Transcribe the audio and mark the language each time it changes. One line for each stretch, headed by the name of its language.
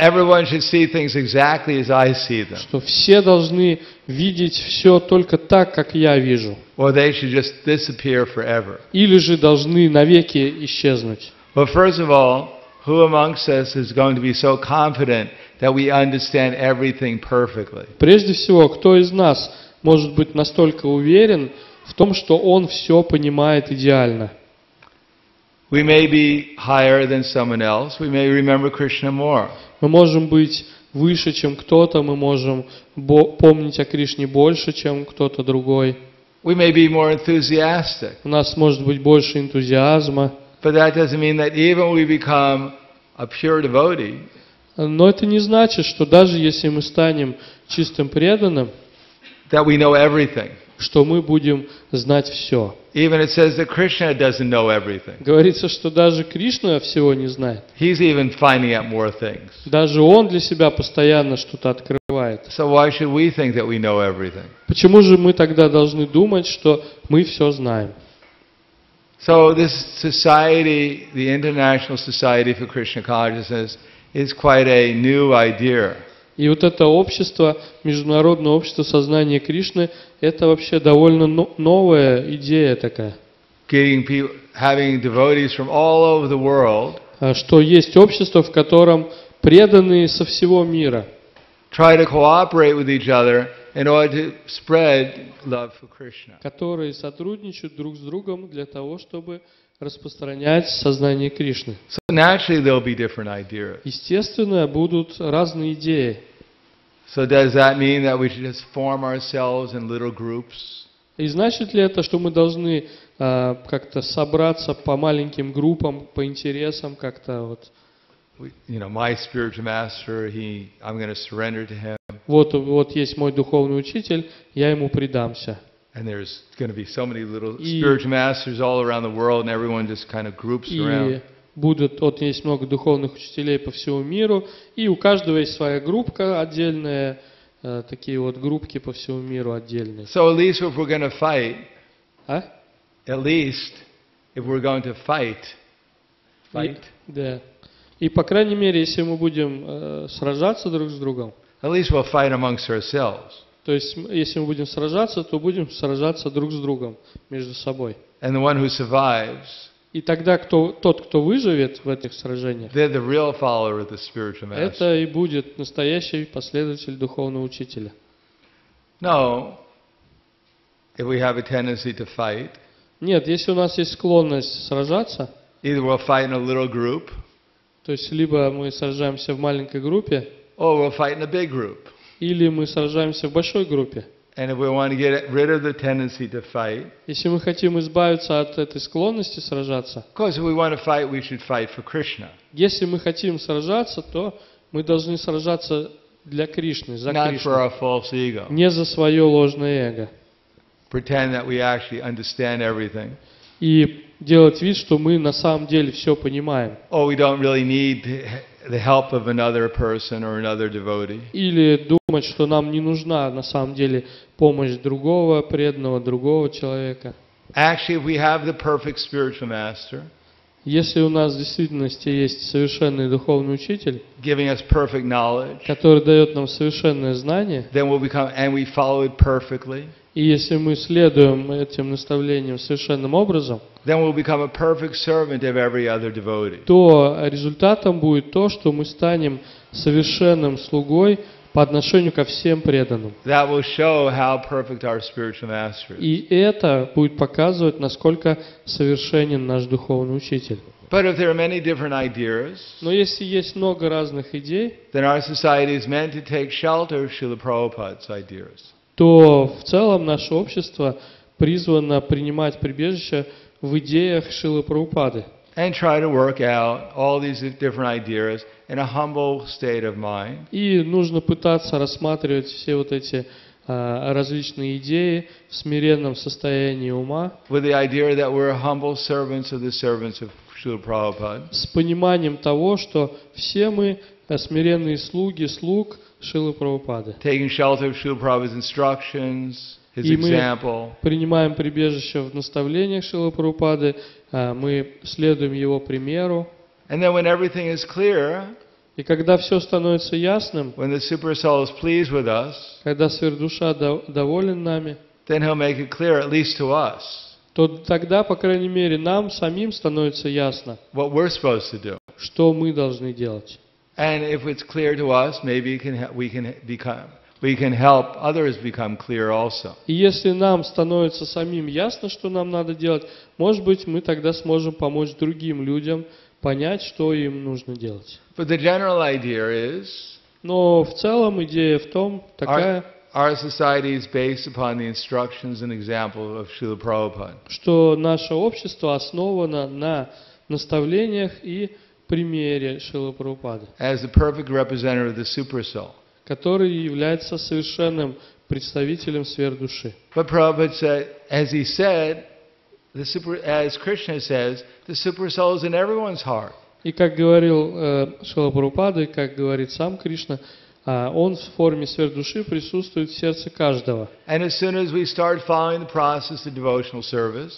English: Everyone should see things exactly as I see them.
Russian: Что все должны видеть все только так, как я вижу.
English: Or they should just disappear forever.
Russian: Или же должны навеки исчезнуть.
English: But first of all, who amongst us is going to be so confident that we understand everything perfectly?
Russian: Прежде всего, кто из нас может быть настолько уверен в том, что он все понимает идеально?
English: We may be higher than someone else. We may remember Krishna more.
Russian: Мы можем быть выше, чем кто-то. Мы можем помнить о Кришне больше, чем кто-то другой.
English: We may be more enthusiastic.
Russian: У нас может быть больше энтузиазма.
English: But that doesn't mean that even we become a pure devotee.
Russian: Но это не значит, что даже если мы станем чистым преданным,
English: that we know everything.
Russian: Что мы будем знать все.
English: Even it says that Krishna doesn't know everything.
Russian: Говорится, что даже Кришна всего не знает.
English: He's even finding out more things.
Russian: Даже он для себя постоянно что-то открывает.
English: So why should we think that we know everything?
Russian: Почему же мы тогда должны думать, что мы все знаем?
English: So this society, the International Society for Krishna Consciousness, is quite a new idea.
Russian: И вот это общество, Международное общество сознания Кришны, это вообще довольно новая идея такая. Что есть общество, в котором преданные со всего мира которые сотрудничают друг с другом для того, чтобы распространять сознание Кришны.
English: So naturally there'll be different ideas.
Russian: Естественно, будут разные идеи.
English: So does that mean that we should just form ourselves in little groups?
Russian: И значит ли это, что мы должны как-то собраться по маленьким группам, по интересам как-то вот?
English: You know, my spiritual master, I'm going to surrender to him.
Russian: Вот, вот есть мой духовный учитель, я ему предамся.
English: And there's going to be so many little spiritual masters all around the world, and everyone just kind of groups around.
Russian: И будут, вот есть много духовных учителей по всему миру, и у каждого есть своя группка отдельная, такие вот группки по всему миру отдельные.
English: So at least if we're going to fight, а? At least if we're going to fight.
Russian: Да. И по крайней мере, если мы будем сражаться друг с другом,
English: at least we'll fight amongst ourselves.
Russian: То есть, если мы будем сражаться, то будем сражаться друг с другом, между собой.
English: And the one who survives,
Russian: и тогда тот, кто выживет в этих сражениях,
English: they're the real follower of the spiritual master.
Russian: Это и будет настоящий последователь духовного учителя.
English: No, if we have a tendency to fight,
Russian: нет, если у нас есть склонность сражаться,
English: either we'll fight in a little group,
Russian: то есть либо мы сражаемся в маленькой группе,
English: or we'll fight in a big group.
Russian: Или мы сражаемся в большой группе.
English: And if we want to get rid of the tendency to fight,
Russian: если мы хотим избавиться от этой склонности сражаться,
English: of course, if we want to fight, we should fight for Krishna.
Russian: Если мы хотим сражаться, то мы должны сражаться для Кришны, за Кришну.
English: Not for our false ego.
Russian: Не за свое ложное эго.
English: Pretend that we actually understand everything.
Russian: И делать вид, что мы на самом деле все понимаем.
English: Or we don't really need the help of another person or another devotee.
Russian: Или думать, что нам не нужна на самом деле помощь другого преданного, другого человека.
English: Actually, if we have the perfect spiritual master,
Russian: если у нас в действительности есть совершенный духовный учитель,
English: giving us perfect knowledge,
Russian: который дает нам совершенное знание,
English: then we'll become, and we follow it perfectly,
Russian: и если мы следуем этим наставлениям совершенным образом,
English: then we'll become a perfect servant of every other devotee.
Russian: То результатом будет то, что мы станем совершенным слугой по отношению ко всем преданным.
English: That will show how perfect our spiritual master is.
Russian: И это будет показывать, насколько совершенен наш духовный учитель.
English: But if there are many different ideas,
Russian: но если есть много разных идей,
English: then our society is meant to take shelter of Srila Prabhupada's ideas.
Russian: То в целом наше общество призвано принимать прибежище в идеях Шрилы Прабхупады.
English: And try to work out all these different ideas in a humble state of mind.
Russian: И нужно пытаться рассматривать все вот эти различные идеи в смиренном состоянии ума.
English: With the idea that we're humble servants of the servants of Srila Prabhupada.
Russian: С пониманием того, что все мы смиренные слуги слуг Шрилы Прабхупады.
English: Taking shelter of Srila Prabhupada's instructions.
Russian: И мы принимаем прибежище в наставлениях Шрилы Прабхупады, мы следуем его примеру.
English: And then when everything is clear,
Russian: и когда все становится ясным,
English: when the super soul is pleased with us,
Russian: когда сверхдуша доволен нами,
English: then he'll make it clear, at least to us,
Russian: то тогда, по крайней мере, нам самим становится ясно,
English: what we're supposed to do.
Russian: Что мы должны делать.
English: And if it's clear to us, maybe we can become. We can help others become clear also.
Russian: И если нам становится самим ясно, что нам надо делать, может быть, мы тогда сможем помочь другим людям понять, что им нужно делать.
English: But the general idea is,
Russian: но в целом идея в том, такая,
English: our society is based upon the instructions and example of Srila Prabhupada.
Russian: Что наше общество основано на наставлениях и примере Шрилы Прабхупады.
English: As the perfect representative of the super soul.
Russian: Который является совершенным представителем сверхдуши.
English: But Prabhupada said, as he said, as Krishna says, the super soul is in everyone's heart.
Russian: И как говорил Шрила Прабхупада, и как говорит сам Кришна, он в форме сверхдуши присутствует в сердце каждого.
English: And as soon as we start following the process of devotional service,